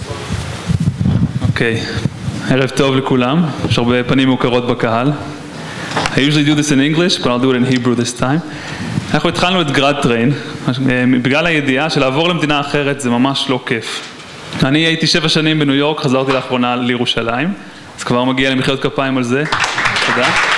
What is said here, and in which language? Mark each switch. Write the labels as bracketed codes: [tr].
[he] מה, אתה מרגיש יותר בנוח? אני אדבר באנגלית. אוקיי, ערב טוב לכולם, יש הרבה פנים מוכרות בקהל. [en] I usually do this in English, but I'll do it in Hebrew this time. [he] אנחנו התחלנו את גרד טריין, בגלל הידיעה שלעבור למדינה אחרת זה ממש לא כיף. אני הייתי 7 שנים בניו יורק, חזרתי לאחרונה לירושלים, אז כבר מגיע למחיאות כפיים על זה, תודה.